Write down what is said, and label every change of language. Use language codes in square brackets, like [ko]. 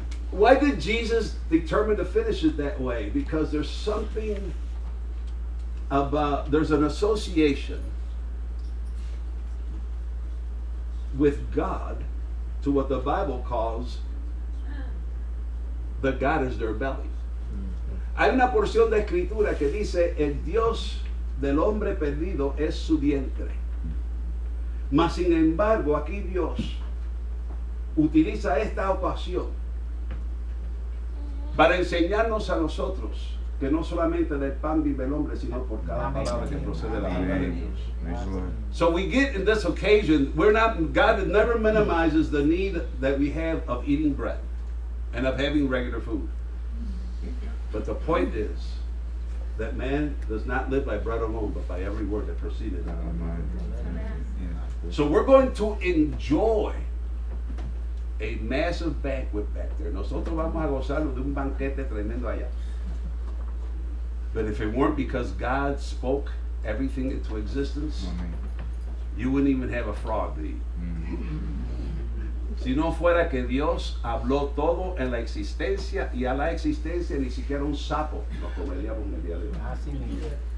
[en] Why did Jesus determine to finish it that way? Because there's something about, there's an association with God to what the Bible calls the God is their belly. [es] Hay una porción de escritura que dice el Dios del hombre perdido es su vientre. Mas sin embargo, aquí Dios utiliza esta ocasión para enseñarnos a nosotros que no solamente del pan vive el hombre, sino por cada palabra que procede de la boca de Dios. [en] So we get in this occasion, God never minimizes the need that we have of eating bread and of having regular food. But the point is that man does not live by bread alone, but by every word that proceeded out of the mouth. So we're going to enjoy a massive banquet back there. [es] Nosotros vamos a gozarnos de un banquete tremendo allá. [en] But if it weren't because God spoke everything into existence, you wouldn't even have a frog to eat. [es] Si no fuera que Dios habló todo en la existencia, y a la existencia ni siquiera un sapo nos comeríamos en el día de hoy.